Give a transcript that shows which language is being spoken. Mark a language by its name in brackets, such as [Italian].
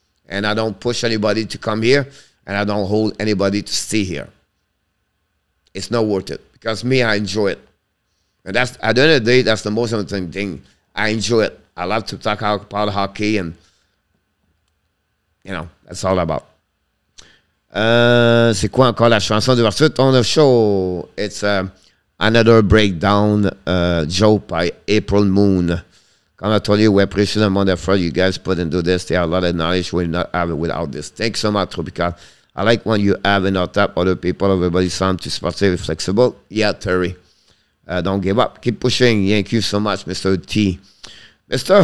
[English] And I don't push anybody to come here, and I don't hold anybody to stay here. It's not worth it because me, I enjoy it. And that's at the end of the day, that's the most important thing. I enjoy it. I love to talk about hockey and, you know, that's all about. [French] C'est quoi encore la chanson d'ouverture de ton show? [English] It's Another Breakdown, Joe by April Moon. Comme I told you, we appreciate the amount of effort you guys put into this. There are a lot of knowledge we not have without this. Thanks so much, Tropical. I like when you have in our top other people, everybody sound too sportive and flexible. Yeah, Terry. Don't give up. Keep pushing. Thank you so much, Mr. T. Mr.